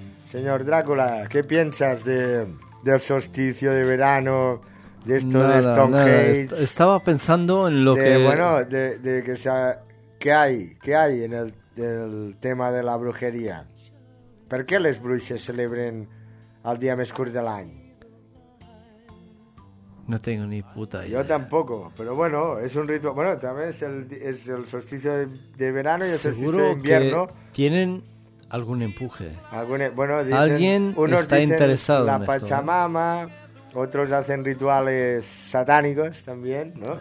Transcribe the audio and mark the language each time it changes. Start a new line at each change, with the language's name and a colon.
Spanish: Señor Drácula, ¿qué piensas de del solsticio de verano? De esto, nada, de Stonehenge. Estaba pensando en lo de, que... Bueno, de que sea... ¿Qué hay? ¿Qué hay en el tema de la brujería?
Catalan: ¿Por qué les bruixes celebren el día més curt de l'any?
Spanish: No tengo ni puta idea. Yo tampoco, pero bueno, es un ritual. Bueno, también es el solsticio de verano y el solsticio de invierno. Que tienen algún empuje. Bueno, dicen, alguien unos está interesado la en Pachamama, esto. Otros hacen rituales satánicos también, ¿no?